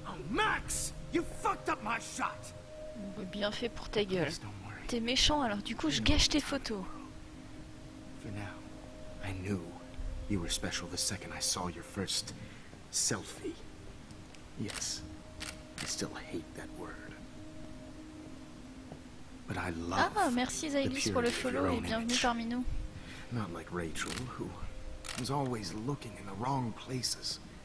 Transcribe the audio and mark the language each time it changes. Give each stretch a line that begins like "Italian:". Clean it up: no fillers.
English: Max, you fucked up my shot.
French: Bien fait pour ta gueule. T'es méchant, alors du coup je gâche tes photos.
English: For now, I knew you were special the second I saw your first selfie. Yes, I still hate that word. But I love.
French: Ah, merci Zaylis pour le follow et bienvenue parmi nous.
English: Not like Rachel, who was always looking in the wrong places.